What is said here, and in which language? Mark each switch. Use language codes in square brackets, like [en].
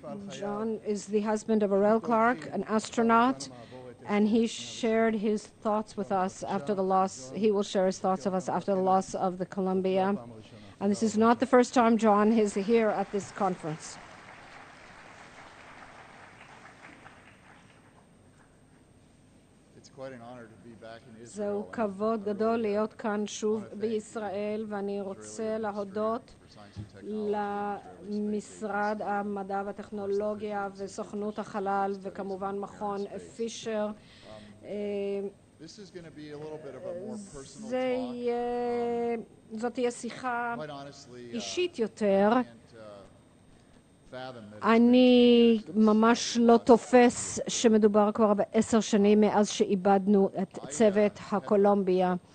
[en] John is the husband of Orel Clark, an astronaut, and he shared his thoughts with us after the loss. He will share his thoughts of us after the loss of the Columbia. And this is not the first time John is here at this conference. It's quite an honor to be back in Israel. [he] זהו כבוד גדול להיות כאן שוב בישראל, ואני רוצה להודות למשרד המדע והטכנולוגיה וסוכנות החלל וכמובן מכון פישר. [en] This is going to be a little bit of a more personal talk. [he] זאת שיחה אישית יותר. אני ממש לא תופס שמדובר כבר בעשר שנים מאז שאיבדנו את צוות הקולומביה.